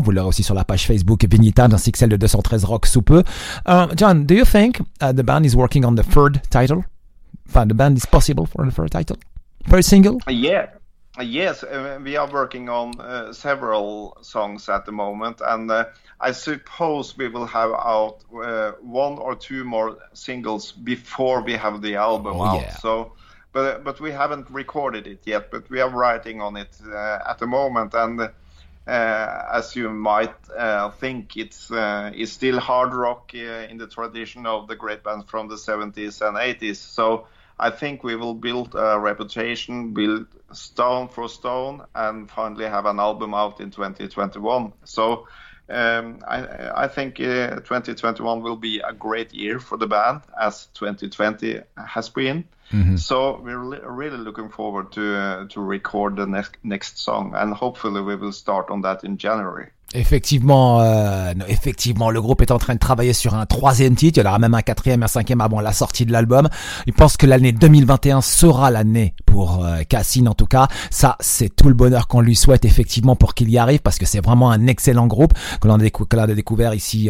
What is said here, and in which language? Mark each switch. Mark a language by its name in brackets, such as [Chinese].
[French] Vous l'aurez aussi sur la page Facebook Vinitas ainsi que celle de 213 Rock sous peu. [English] John, do you think the band is working on the third title? Fine, the band is possible for the third title? First single? Yes, we are working on several songs at the moment, and I suppose we will have out one or two more singles before we have the album out. Yeah. So, but we haven't recorded it yet, but we are writing on it at the moment, and as you might think, it's still hard rock in the tradition of the great bands from the 70s and 80s. So I think we will build a reputation, build stone for stone, and finally have an album out in 2021. So I think 2021 will be a great year for the band, as 2020 has been. Mm-hmm. So we're really looking forward to record the next song, and hopefully we will start on that in January. [French] Effectivement, le groupe est en train de travailler sur un troisième titre. Il y aura même un quatrième et un cinquième avant la sortie de l'album. Il pense que l'année 2021 sera l'année pour Cassine, en tout cas. Ça, c'est tout le bonheur qu'on lui souhaite, effectivement, pour qu'il y arrive, parce que c'est vraiment un excellent groupe que l'on a découvert ici.